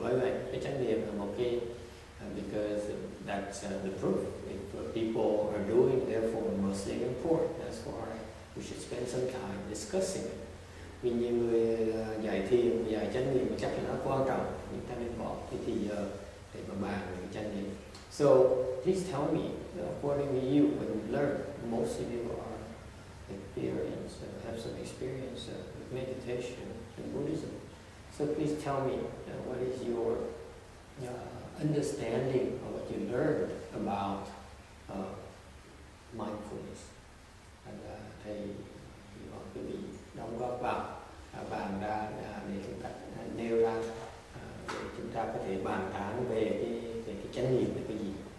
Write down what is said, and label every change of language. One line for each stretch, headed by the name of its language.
Vietnamese: Bởi vậy cái chánh niệm là một cái
English: because that's the proof. If people are doing, therefore, most thing important. That's why we should spend some time discussing it.
Vietnamese: Vì nhiều người dạy thiền, dạy chánh niệm chắc là nó quan trọng. Chúng ta nên bỏ cái thì giờ để mà bàn về chánh niệm.
English: So, please tell me, according to you, when you learn, most of you are experienced, have some experience with meditation and Buddhism. So please tell me, what is your understanding of what you learned about mindfulness.
Vietnamese: And thầy hy vọng quý vị đóng góp vào bàn ra để chúng ta nêu ra để chúng ta có thể bàn tán về cái chánh niệm là cái gì.